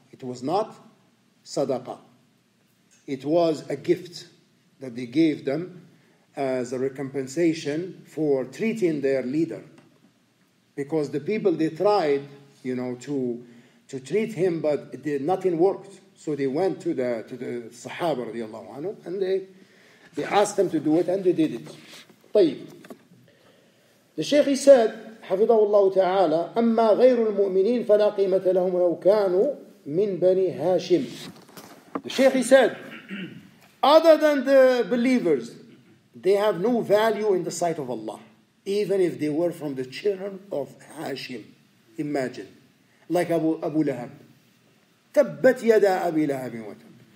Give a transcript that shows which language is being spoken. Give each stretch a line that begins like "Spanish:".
English: It was not sadaqah. It was a gift that they gave them as a recompensation for treating their leader. Because the people, they tried, you know, to treat him, but nothing worked. So they went to the Sahaba radiallahu anhu, and they asked them to do it, and they did it.
Arabic: طيب.
English: The Shaykh, he said,
Arabic: حفظه الله تعالى أما غير المؤمنين فلا قيمة لهم لو كانوا من بني هاشم.
English: The Sheikh, he said, other than the believers, they have no value in the sight of Allah, even if they were from the children of Hashim. Imagine, like Abu Lahab.
Arabic: تبت يدا أبي لهب وتب.